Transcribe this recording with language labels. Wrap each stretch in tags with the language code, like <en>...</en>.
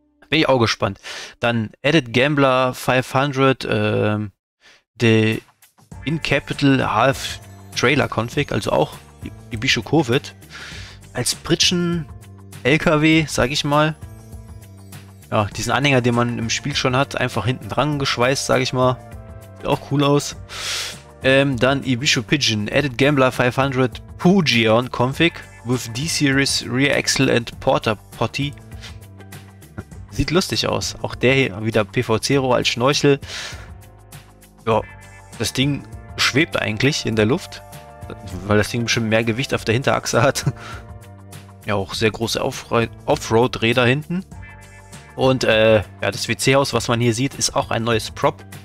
<de>Bin ich auch gespannt. Dann</de> <en>Added Gambler 500, the In Capital Half Trailer Config,</en> <de>also auch die Ibishu Covid. Als Pritschen-LKW, sage ich mal. Ja, diesen Anhänger, den man im Spiel schon hat, einfach hinten dran geschweißt, sage ich mal. Sieht auch cool aus.</de> <en>Dann Ibishu Pigeon, Added Gambler 500 Pugeon Config with D-Series Rear Axle and Porter Potty.</en> <de>Sieht lustig aus. Auch der hier wieder PVC-Rohr als Schnorchel. Ja, das Ding schwebt eigentlich in der Luft, weil das Ding bestimmt mehr Gewicht auf der Hinterachse hat. Ja, auch sehr große Offroad-Räder hinten. Und ja, das WC-Haus, was man hier sieht, ist auch ein neues Prop.</de>